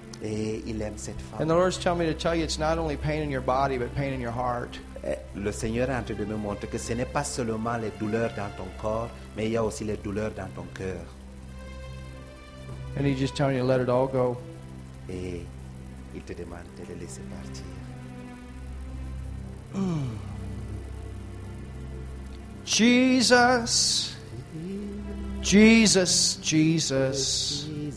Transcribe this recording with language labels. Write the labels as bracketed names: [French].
[English] And the Lord's telling me to tell you, it's not only pain in your body, but pain in your heart. [French] Le Seigneur est en train de me montrer que ce n'est pas seulement les douleurs dans ton corps, mais il y a aussi les douleurs dans ton cœur. [English] And he's just telling you to let it all go. [French] Il te demande de le laisser partir. [English] Jesus, Jesus, Jesus.